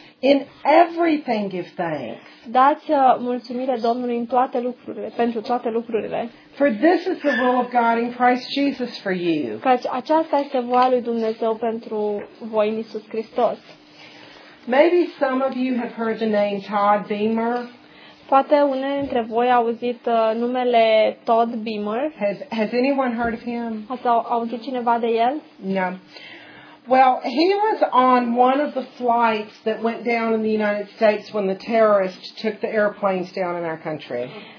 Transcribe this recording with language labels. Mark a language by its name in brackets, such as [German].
[English] In everything give thanks. [Romanian] Dați mulțumire Domnului în toate lucrurile, pentru toate lucrurile. [English] For this is the will of God in Christ Jesus for you. [Romanian] Căci aceasta este voia lui Dumnezeu pentru voi în Iisus Hristos. [English] Maybe some of you have heard the name Todd Beamer. [Romanian] Poate unele dintre voi au auzit numele Todd Beamer. [English] Has anyone heard of him? [Romanian] Ați auzit cineva de el? [English] No. Well, he was on one of the flights that went down in the United States when the terrorists took the airplanes down in our country.